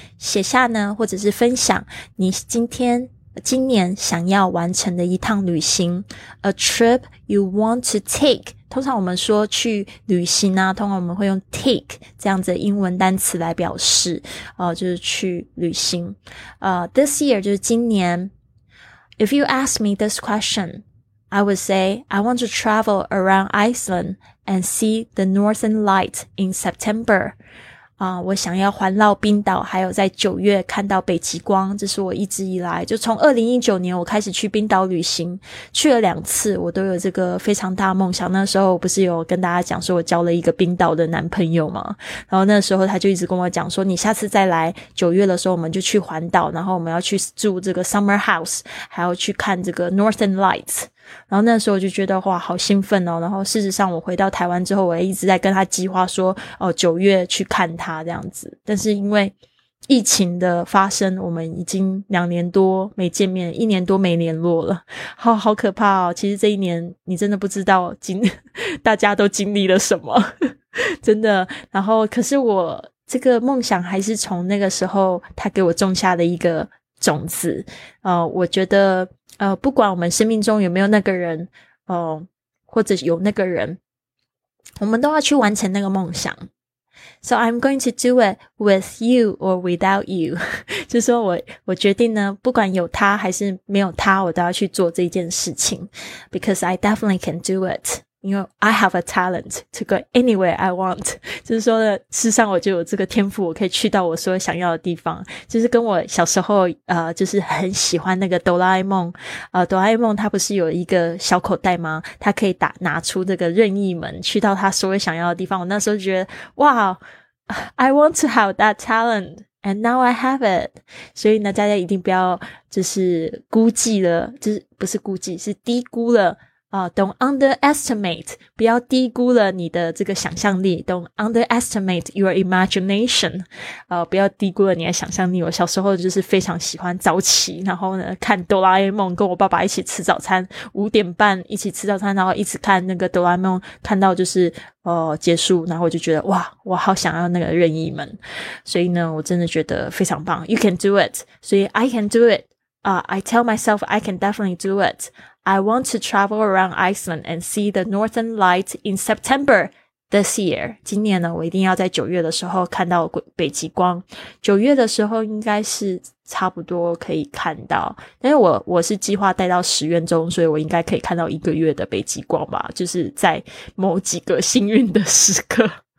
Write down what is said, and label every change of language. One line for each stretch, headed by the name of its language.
Chinese: 写下呢，或者是分享你今年想要完成的一趟旅行。
English: A trip you want to take.
Chinese: 通常我们说去旅行啊，通常我们会用 take 这样子的英文单词来表示就是去旅行。
English: This year
Chinese: 就是今年。
English: If you ask me this question, I would say, I want to travel around Iceland and see the Northern Light in September.
Chinese: 我想要环绕冰岛，还有在九月看到北极光，这是我一直以来，就从2019年我开始去冰岛旅行，去了两次，我都有这个非常大梦想。那时候不是有跟大家讲说我交了一个冰岛的男朋友吗？然后那时候他就一直跟我讲说，你下次再来九月的时候，我们就去环岛，然后我们要去住这个 summer house, 还要去看这个 northern lights。然后那时候我就觉得哇好兴奋哦，然后事实上我回到台湾之后，我也一直在跟他计划说哦九月去看他这样子，但是因为疫情的发生，我们已经两年多没见面，一年多没联络了，好可怕哦。其实这一年你真的不知道大家都经历了什么，真的。然后可是我这个梦想还是从那个时候他给我种下的一个种子，我觉得不管我们生命中有没有那个人或者有那个人，我们都要去完成那个梦想。
English: So I'm going to do it with you or without you.
Chinese: 就说我决定呢，不管有他还是没有他，我都要去做这件事情。
English: Because I definitely can do it. You know, I have a talent to go anywhere I want.
Chinese: 就是说呢，事实上我就有这个天赋，我可以去到我所有想要的地方。就是跟我小时候就是很喜欢那个哆啦 A 梦，哆啦 A 梦它不是有一个小口袋吗？它可以拿出这个任意门去到它所有想要的地方。我那时候觉得哇
English: I want to have that talent and now I have it.
Chinese: 所以呢，大家一定不要就是估计了，就是不是估计，是低估了
English: Don't underestimate,
Chinese: 不要低估了你的这个想象力。
English: Don't underestimate your imagination,
Chinese: 不要低估了你的想象力。我小时候就是非常喜欢早起，然后呢，看哆啦 A 梦，跟我爸爸一起吃早餐，五点半一起吃早餐，然后一直看那个哆啦 A 梦，看到就是结束，然后我就觉得哇，我好想要那个任意门。所以呢，我真的觉得非常棒。
English: You can do it,
Chinese: 所以
English: I can do it. I tell myself I can definitely do it. I want to travel around Iceland and see the Northern Light in September this year.
Chinese: 今年呢，我一定要在九月的时候看到北极光。九月的时候应该是差不多可以看到，但是我是计划待到十月中，所以我应该可以看到一个月的北极光吧，就是在某几个幸运的时刻。